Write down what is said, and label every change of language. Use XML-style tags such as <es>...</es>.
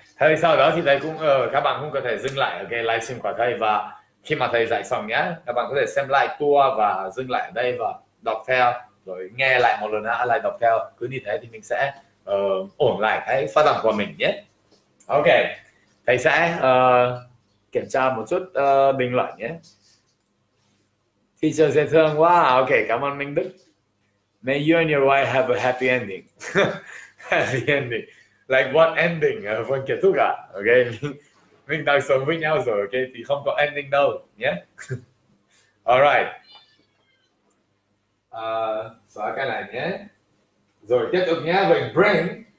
<vi>Thầy sau đó thì thầy cũng các bạn cũng có thể dừng lại, ok, livestream của thầy, và khi mà thầy dạy xong nhé, các bạn có thể xem lại tour và dừng lại ở đây và đọc theo, rồi nghe lại một lần nữa, lại đọc theo, cứ như thế thì mình sẽ ổn lại cái phát âm của mình nhé. Ok, thầy sẽ kiểm tra một chút bình luận nhé. Teacher dễ thương quá, wow, ok, cảm ơn Minh Đức.</vi> <en>May you and your wife have a happy ending. Happy ending. Like what ending,</en> <vi>phần kết thúc à, ok. Mình đang sống với nhau rồi, ok, thì không có ending đâu, nhé. Alright. Xóa cái này nhé. Rồi tiếp tục nhé, về bring.</vi>